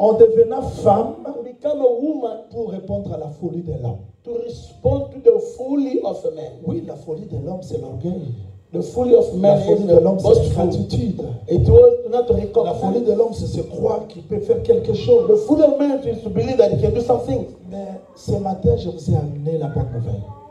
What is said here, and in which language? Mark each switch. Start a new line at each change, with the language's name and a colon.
French: En devenant femme.
English: To become a woman.
French: Pour répondre à la folie de l'homme.
English: To respond to the folly of man.
French: Oui, la folie de l'homme, c'est l'orgueil.
English: The folly of man
French: la folie
English: is
French: de l'homme, c'est l'ingratitude.
English: It was not recognized.
French: La folie de l'homme, c'est se croire qu'il peut faire quelque chose.
English: The folly of man is to believe that he can do something.
French: Mais ce matin, je vous ai amené la bonne nouvelle.